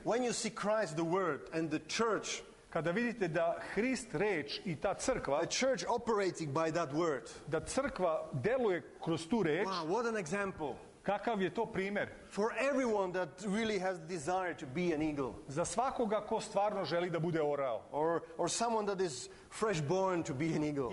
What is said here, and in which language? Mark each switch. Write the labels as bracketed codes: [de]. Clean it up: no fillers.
[en] When you see Christ the word and the church, [sr] kada vidite da Hrist reč i ta crkva, [en] the church operating by that word, [sr] da crkva deluje kroz tu reč. [en] Wow, what an example. [sr] Kakav je to primjer? [en] For everyone that really has the desire to be an eagle. [sr] Za svakoga ko stvarno želi da bude orao. [en] Or someone that is fresh born to be an eagle.